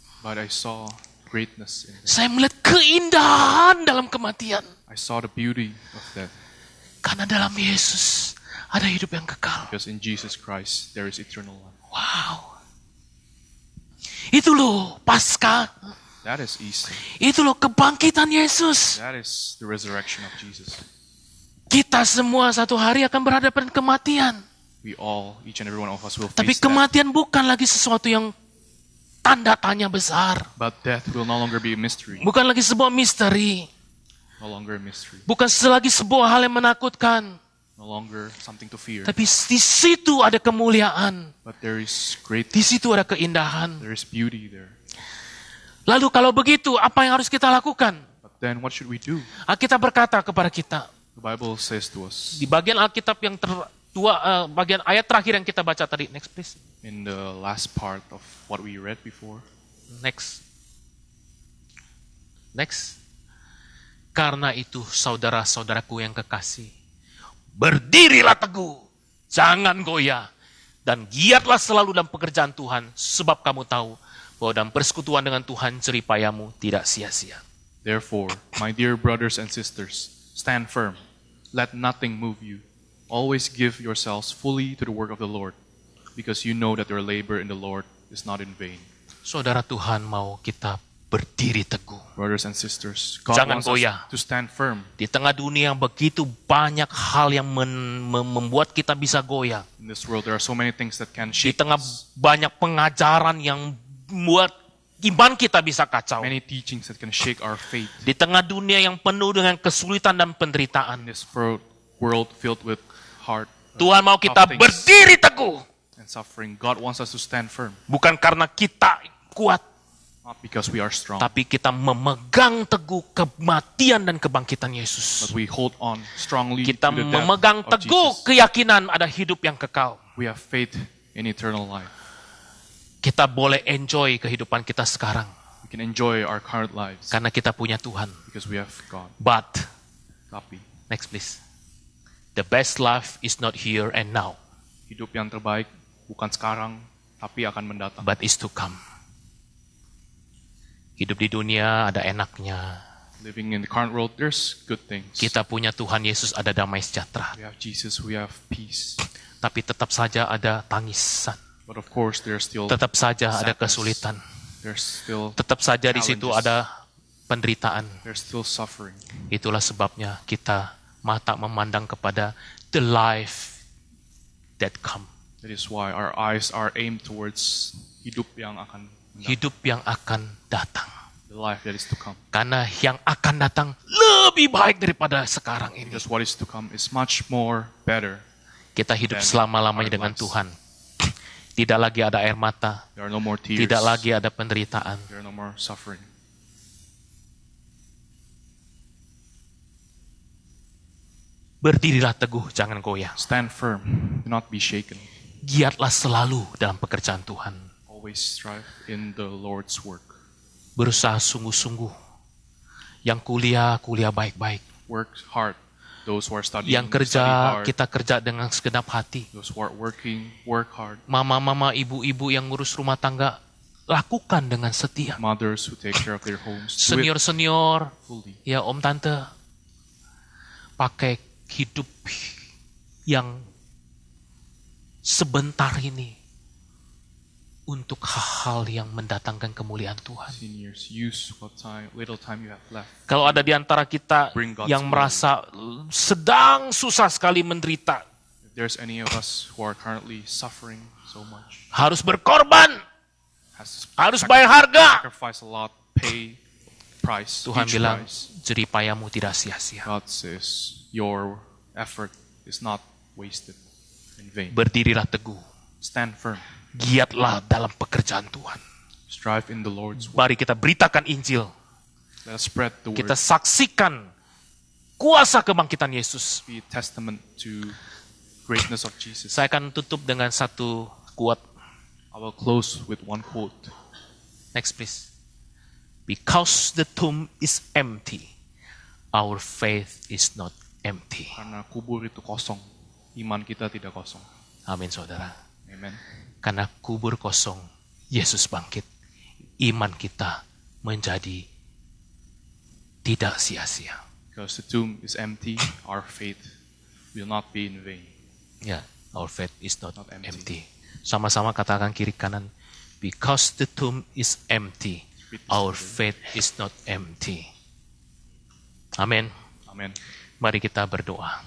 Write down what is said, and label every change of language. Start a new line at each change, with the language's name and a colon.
English: But I saw greatness in death.
Indonesian: Saya melihat keindahan dalam kematian.
English: I saw the beauty of death.
Indonesian: Karena dalam Yesus ada hidup yang kekal.
English: Because in Jesus Christ there is eternal life.
Indonesian: Wow. Itu loh Pasca.
English: That is Easter.
Indonesian: Itu loh kebangkitan Yesus.
English: That is the resurrection of Jesus.
Indonesian: Kita semua satu hari akan berhadapan kematian.
English: We all, each and every one of us will face.
Indonesian: Tapi kematian bukan lagi sesuatu yang tanda tanya besar.
English: But death will no longer be a mystery.
Indonesian: Bukan lagi sebuah misteri.
English: No longer a mystery.
Indonesian: Bukan lagi sebuah hal yang menakutkan.
English: No longer something to fear.
Indonesian: Tapi di situ ada kemuliaan.
English: But there is great.
Indonesian: Di situ ada keindahan.
English: There is beauty there.
Indonesian: Lalu kalau begitu, apa yang harus kita lakukan?
English: But then what should we do?
Indonesian: Kita berkata kepada kita.
English: The Bible says to us.
Indonesian: Di bagian Alkitab yang tua, bagian ayat terakhir yang kita baca tadi.
English: Next please. In the last part of what we read before. Next.
Indonesian: Karena itu, saudara-saudaraku yang kekasih, berdirilah teguh, jangan goyah, dan giatlah selalu dalam pekerjaan Tuhan, sebab kamu tahu bahwa dalam persekutuan dengan Tuhan jerih payahmu tidak sia-sia.
English: Therefore, my dear brothers and sisters, stand firm. Let nothing move you. Always give yourselves fully to the work of the Lord, because you know that your labor in the Lord is not in vain.
Indonesian: Saudara Tuhan mau kita berdiri teguh.
English: Brothers and sisters, God
Indonesian: jangan
English: wants
Indonesian: goyah.
English: Us to stand firm.
Indonesian: Di tengah dunia yang begitu banyak hal yang membuat kita bisa goyah.
English: In this world there are so many things that can shake.
Indonesian: Di tengah banyak pengajaran yang membuat iman kita bisa kacau.
English: Many teachings that can shake our faith.
Indonesian: Di tengah dunia yang penuh dengan kesulitan dan penderitaan.
English: In this world filled with hard,
Indonesian: Tuhan mau kita berdiri teguh.
English: And suffering. God wants us to stand firm.
Indonesian: Bukan karena kita kuat.
English: Not because we are strong.
Indonesian: Tapi kita memegang teguh kematian dan kebangkitan Yesus.
English: But we hold on strongly.
Indonesian: Kita memegang teguh keyakinan ada hidup yang kekal.
English: We have faith in eternal life.
Indonesian: Kita boleh enjoy kehidupan kita sekarang.
English: We can enjoy our current lives.
Indonesian: Karena kita punya Tuhan.
English: Because we have God. But,
Indonesian: tapi,
English: next please. The best life is not here and now.
Indonesian: Hidup yang terbaik bukan sekarang, tapi akan mendatang.
English: But is to come.
Indonesian: Hidup di dunia ada enaknya.
English: Living in the current world, there's good things.
Indonesian: Kita punya Tuhan Yesus ada damai sejahtera.
English: We have Jesus, we have peace.
Indonesian: Tapi tetap saja ada tangisan.
English: But of course, there's still
Indonesian: tetap saja
English: sadness.
Indonesian: Ada kesulitan.
English: There's still
Indonesian: tetap saja
English: challenges.
Indonesian: Di situ ada penderitaan.
English: There's still suffering.
Indonesian: Itulah sebabnya kita mata memandang kepada
English: the life that come. That is why our eyes are aimed towards
Indonesian: hidup yang akan datang. Hidup yang akan datang.
English: The life that is to come.
Indonesian: Karena yang akan datang lebih baik daripada sekarang ini.
English: Because what is to come is much more better.
Indonesian: Kita hidup selama-lamanya dengan Tuhan. Tidak lagi ada air mata.
English: There are no more tears.
Indonesian: Tidak lagi ada penderitaan.
English: There are no more suffering.
Indonesian: Berdirilah teguh, jangan goyah.
English: Stand firm, do not be shaken.
Indonesian: Giatlah selalu dalam pekerjaan Tuhan.
English: Always strive in the Lord's work.
Indonesian: Berusaha sungguh-sungguh. Yang kuliah, kuliah baik-baik.
English: Work hard. Those who are studying,
Indonesian: yang kerja, kita kerja dengan segenap hati.
English: Those who are working, work hard.
Indonesian: Mama-mama, ibu-ibu yang ngurus rumah tangga, lakukan dengan setia.
English: Mothers who take care of their homes.
Indonesian: Senior-senior,
English: fully.
Indonesian: Ya om, tante, pakai hidup yang sebentar ini untuk hal-hal yang mendatangkan kemuliaan Tuhan.
English: Seniors, use what time, little time you have left.
Indonesian: Kalau ada di antara kita yang merasa sedang susah sekali menderita,
English: if there's any of us who are currently suffering so much,
Indonesian: harus berkorban, harus bayar harga.
English: Sacrifice a lot, pay price.
Indonesian: Tuhan bilang, jerih payahmu tidak sia-sia.
English: God says, your effort is not wasted in vain.
Indonesian: Berdirilah teguh.
English: Stand firm.
Indonesian: Giatlah dalam pekerjaan Tuhan.
English: Strive in the Lord's work.
Indonesian: Mari kita beritakan Injil.
English: Let us spread the word.
Indonesian: Kita saksikan kuasa kebangkitan Yesus.
English: Be a testament to greatness of Jesus.
Indonesian: Saya akan tutup dengan satu quote.
English: I will close with one quote. Next please. Because the tomb is empty, our faith is not empty.
Indonesian: Karena kubur itu kosong, iman kita tidak kosong. Amin, saudara.
English: Amen.
Indonesian: Karena kubur kosong, Yesus bangkit, iman kita menjadi tidak sia-sia.
English: Because the tomb is empty, our faith will not be in vain. Yeah, our faith is not empty.
Indonesian: Sama-sama katakan kiri kanan,
English: because the tomb is empty, our faith is not empty. Amen. Amen.
Indonesian: Mari kita berdoa.